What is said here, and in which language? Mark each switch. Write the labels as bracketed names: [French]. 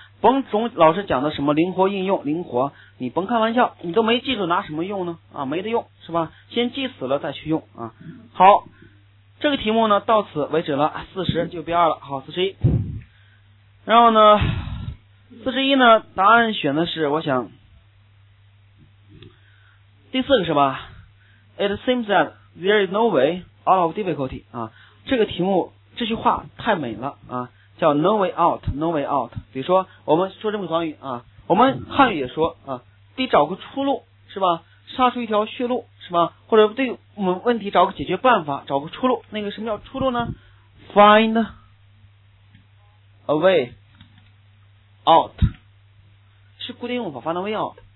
[Chinese] 甭总老师讲的什么灵活应用，灵活你甭开玩笑，你都没记住拿什么用呢啊，没得用是吧，先记死了再去用啊。好，这个题目呢到此为止了，40就B2了，好41，然后呢四之一呢，答案选的是我想第四个是吧。 [English] It seems that there is no way out of difficulty 啊， [Chinese] 这个题目这句话太美了啊，叫 [English] no way out, no way out。 [Chinese] 比如说我们说这么个短语啊，我们汉语也说啊，得找个出路是吧，杀出一条血路是吧，或者对我们问题找个解决办法，找个出路。那个什么叫出路呢？ [English] find a way out [Chinese] 是固定用法， find a way out。